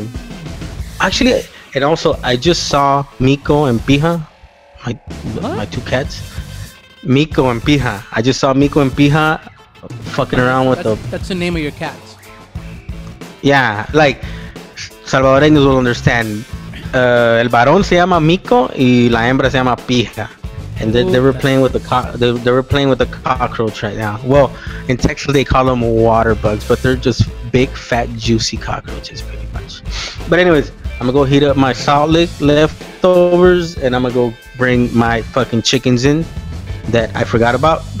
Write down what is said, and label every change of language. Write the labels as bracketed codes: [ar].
[en] And actually, and also, I just saw Miko and Pija, my two cats. Miko and Pija. I just saw Miko and Pija fucking around with That's the name of your cats. Yeah, like, salvadoreños will understand. [es] El varón se llama Miko y la hembra se llama Pija. [en] And they were playing with the cockroach right now. Well, in Texas they call them water bugs, but they're just big, fat, juicy cockroaches, pretty much. But anyways, I'm gonna go heat up my Salt Lick leftovers, and I'm gonna go bring my fucking chickens in that I forgot about.